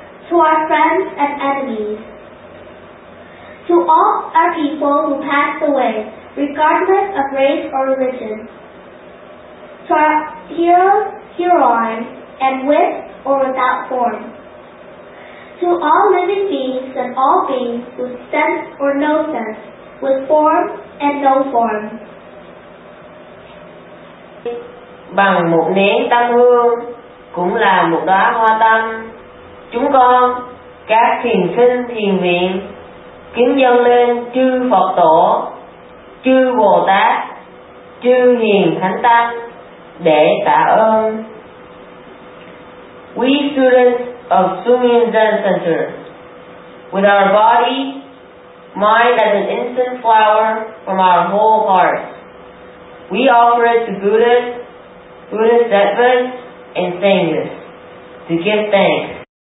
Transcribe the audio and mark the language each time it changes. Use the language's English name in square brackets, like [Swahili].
[English] to our friends and enemies. To all our people who passed away, regardless of race or religion. To our heroes, heroines, and with or without form. To all living beings and all beings with sense or no sense, with form and no form. [Vietnamese] Bằng một nén tâm hương, cũng là một đóa hoa tâm, chúng con, các thiền sinh thiền viện, kính dâng lên chư Phật Tổ, chư Bồ Tát, chư Hiền Thánh Tăng để tạ ơn. [English] We students of Sumyin Zen Center, with our body, mind as an incense flower from our whole heart, we offer it to Buddhist Sattvas and Sanghas to give thanks.